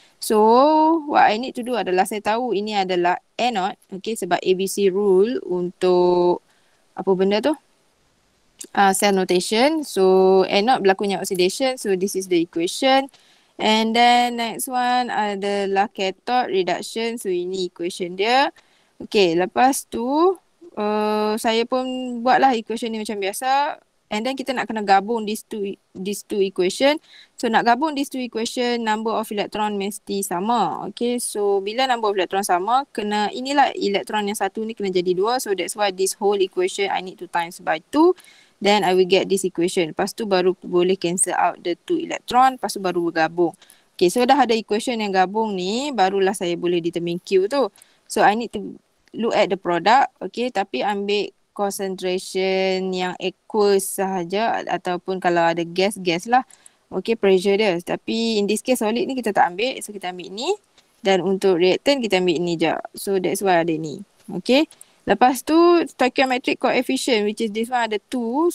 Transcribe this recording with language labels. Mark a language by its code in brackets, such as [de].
[en] So, what I need to do [ms] adalah saya tahu ini adalah [en] anode. [ms] Okay, sebab ABC rule untuk apa benda tu? [en] Cell notation. So, anode berlakunya oxidation. So, this is the equation. And then next one adalah cathode reduction. [ms] So ini equation dia. Okay, lepas tu saya pun buatlah equation ni macam biasa. [en] And then [ms] kita nak kena gabung [en] these two equation. So [ms] nak gabung [en] these two equation, number of electron [ms] mesti sama. Okay, so bila [en] number of electron [ms] sama, kena inilah electron yang satu ni kena jadi dua. [en] So that's why this whole equation I need to times by two. Then I will get this equation. [ms] Lepas tu baru boleh [en] cancel out the two electron. [ms] Lepas tu baru bergabung. Okay, so dah ada equation yang gabung ni, barulah saya boleh determine Q tu. [en] So I need to look at the product. [ms] Okay, tapi ambil concentration yang aqueous sahaja ataupun kalau ada gas-gas lah. Okay, pressure dia. Tapi [en] in this case [ms] solid ni kita tak ambil. So kita ambil ni. Dan untuk reactant kita ambil ni je. [en] So that's why [ms] ada ni. [en] Okay. [ms] Lepas tu [en] stoichiometric coefficient, which is this one ada 2.